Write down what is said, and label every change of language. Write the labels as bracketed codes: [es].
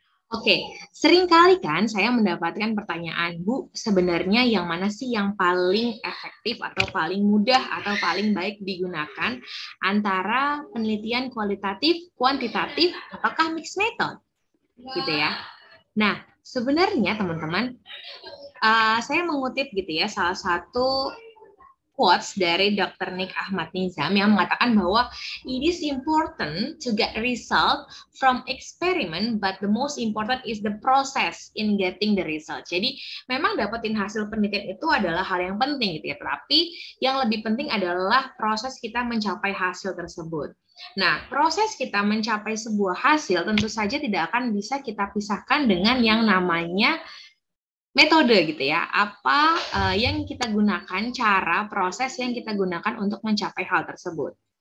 [id] Oke, seringkali kan saya mendapatkan pertanyaan, Bu, sebenarnya yang mana sih yang paling efektif atau paling mudah atau paling baik digunakan antara penelitian kualitatif, kuantitatif, apakah mixed method? Gitu ya. Nah, sebenarnya teman-teman, saya mengutip gitu ya salah satu quotes dari Dr. [en] Nick Ahmad Nizam [id] yang mengatakan bahwa [en] it is important to get result from experiment, but the most important is the process in getting the result. [id] Jadi, memang dapetin hasil penelitian itu adalah hal yang penting, gitu ya. Tapi yang lebih penting adalah proses kita mencapai hasil tersebut. Nah, proses kita mencapai sebuah hasil tentu saja tidak akan bisa kita pisahkan dengan yang namanya metode gitu ya, apa yang kita gunakan, cara, proses yang kita gunakan untuk mencapai hal tersebut.